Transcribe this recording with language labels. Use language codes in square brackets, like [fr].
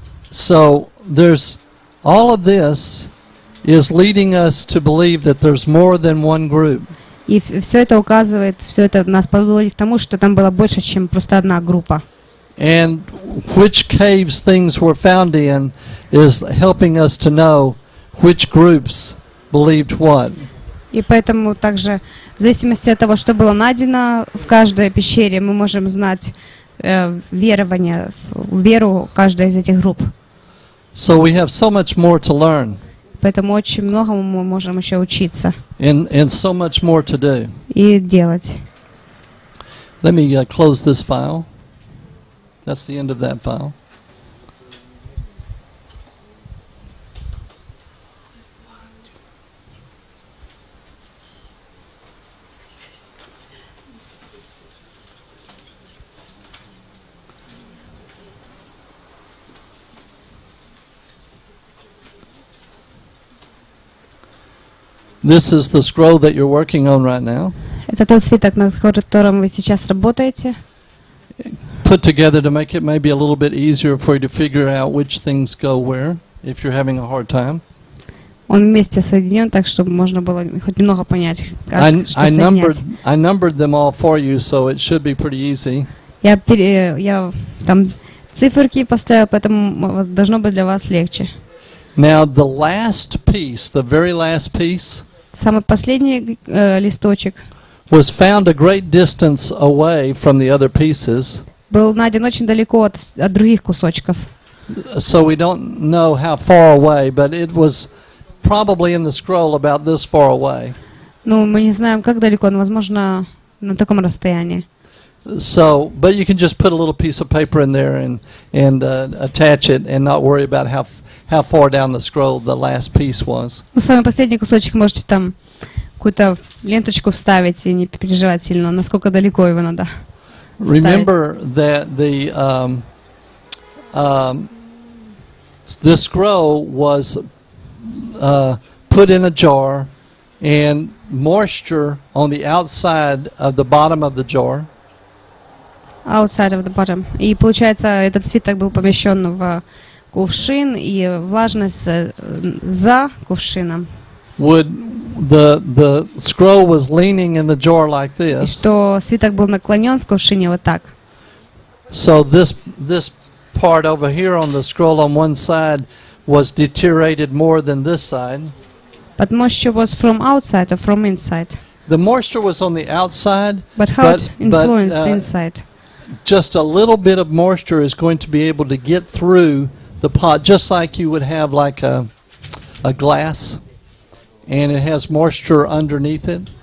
[en] So there's all of this is leading us to believe that there's more than one group. [ru] И все это указывает, все это нас подводит к тому, что там было больше, чем просто одна группа. [en] And which caves things were found in is helping us to know which groups believed what. [ru] И поэтому также, в зависимости от того, что было найдено в каждой пещере, мы можем знать верование, веру каждой из этих групп. [en] So we have so much more to learn. [ru] Поэтому очень многому мы можем еще учиться. [en] And so much more to do. [ru] И делать. [en] Let me close this file. That's the end of that file. This is the scroll that you're working on right now. [ru] Это тот свиток, над которым вы сейчас работаете. [en] Put together to make it maybe a little bit easier for you to figure out which things go where if you're having a hard time. [ru] Он вместе соединен, так чтобы можно было хоть немного понять, как что соединять. [en] I numbered them all for you, so it should be pretty easy. [ru] Я там циферки поставил, поэтому должно быть для вас легче. [en] Now the last piece, the very last piece. [ru] Самый последний листочек. [en] was found a great distance away from the other pieces. [ru] Был найден очень далеко от других кусочков. [en] So we don't know how far away, but it was probably in the scroll about this far away. [ru] Ну, мы не знаем, как далеко, но возможно на таком расстоянии. [en] So, but you can just put a little piece of paper in there and attach it and not worry about how far down the scroll the last piece was. [ru] Ну, самый последний кусочек можете там какую-то ленточку вставить и не переживать сильно, насколько далеко его надо. [en] Remember that the scroll was put in a jar and moisture on the outside of the bottom of the jar. Outside of the bottom. [ru] И получается, этот свиток был помещен в кувшин, и влажность за кувшином. [en] Would the scroll was leaning in the jar like this? [ru] И что свиток был наклонен в кувшине вот так. [en] So this part over here on the scroll on one side was deteriorated more than this side. But moisture was from outside or from inside? The moisture was on the outside. But how it influenced inside? Just a little bit of moisture is going to be able to get through the pot, just like you would have like a glass, and it has moisture underneath it.